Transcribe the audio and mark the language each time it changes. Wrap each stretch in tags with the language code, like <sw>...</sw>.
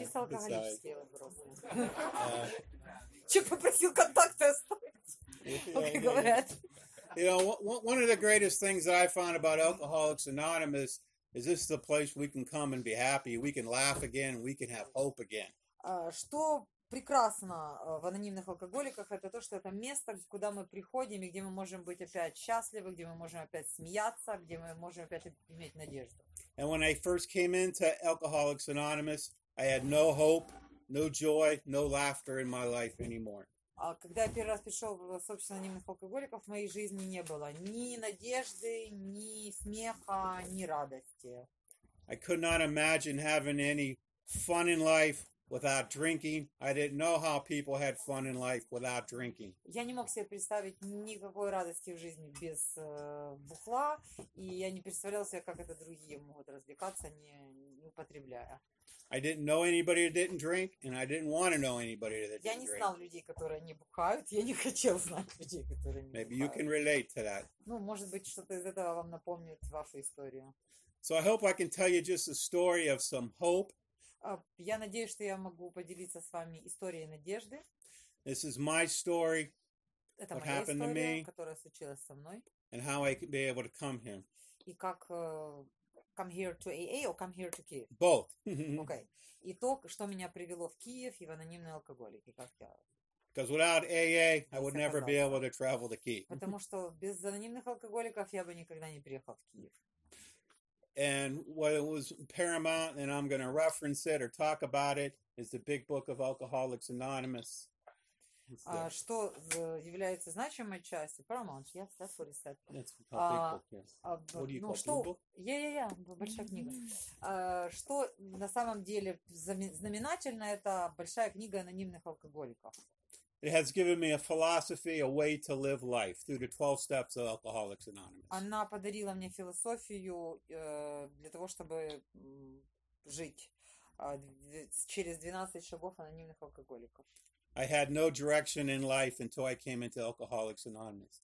<ru>Чисто алкоголические вопросы. Че, попросил контакты оставить? Как говорят.</ru> <en>You know, one of the greatest things that I found about Alcoholics Anonymous is this is a place we can come and be happy, we can laugh again, we can have hope again.</en> <ru>Что прекрасно в анонимных алкоголиках, это то, что это место, куда мы приходим, и где мы можем быть опять счастливы, где мы можем опять смеяться, где мы можем опять иметь надежду.</ru> <en>And when I first came into Alcoholics Anonymous, I had no hope, no joy, no laughter in my life anymore.</en> <ru>Когда я первый раз пришел в сообщество анонимных алкоголиков, в моей жизни не было ни надежды, ни смеха, ни радости.</ru> <en>I could not imagine having any fun in life without drinking. I didn't know how people had fun in life without drinking.</en> <ru>Я не мог себе представить никакой радости в жизни без бухла, и я не представлял себе, как это другие могут развлекаться, не употребляя.</ru> <en>I didn't know anybody that didn't drink, and I didn't want to know anybody that didn't drink.</en> <ru>Я не знал людей, которые не бухают. Я не хотел знать людей, которые не</ru> <en>Maybe you can relate to that.</en> <ru>Ну, может быть, что-то из этого вам напомнит вашу историю.</ru> <en>So I hope I can tell you just a story of some hope.</en> <ru>Я надеюсь, что я могу поделиться с вами историей надежды.</ru> <en>This is my story.</en> <ru>Это моя история, которая случилась со мной.</ru> <en>And how I can be able to come here.</en> <ru>И как</ru> <en>come here to AA or come here to Kiev? Both. Okay.</en> <ru>И то, что меня привело в Киев и в анонимные алкоголики, как я...</ru> <en>Because without AA, I would never be able to travel to Kiev.</en> <ru>Потому что без анонимных алкоголиков я бы никогда не приехал в Киев.</ru> <en>And what it was paramount, and I'm going to reference it or talk about it, is the Big Book of Alcoholics Anonymous.</en> <ru>Что является значимой частью?</ru> <en>Paramount, yes, that's what it said. It's a big book, yes. What do you call it?</en> <ru>Что...</ru> <en>Yeah,</en> <ru>большая книга. Что на самом деле знаменательно, это большая книга анонимных алкоголиков.</ru> <en>It has given me a philosophy, a way to live life through the 12 steps of Alcoholics Anonymous.</en> <ru>Она подарила мне философию для того, чтобы жить через 12 шагов анонимных алкоголиков.</ru> <en>I had no direction in life until I came into Alcoholics Anonymous.</en>